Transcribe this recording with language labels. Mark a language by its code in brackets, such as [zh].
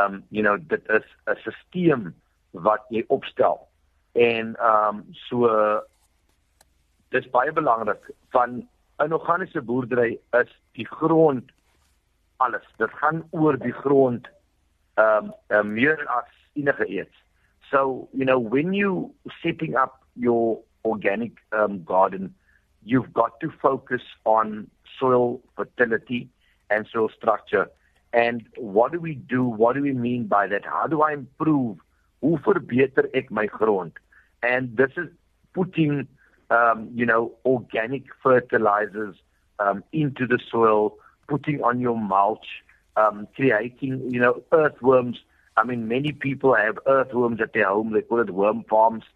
[en] You know, [af] dit is 'n stelsel wat jy opstel. En so dis baie belangrik. Van 'n organiese boerdery is die grond alles. Dit gaan oor die grond meer as enige iets. [en] So, you know, when you setting up your organic garden, you've got to focus on soil fertility and soil structure. And what do we do? What do we mean by that? How do I improve? [af] Hoe verbeter ek my grond? [en] And this is putting, you know, organic fertilizers into the soil, putting on your mulch, creating, you know, earthworms. I mean, many people have earthworms at their home. They call it worm farms.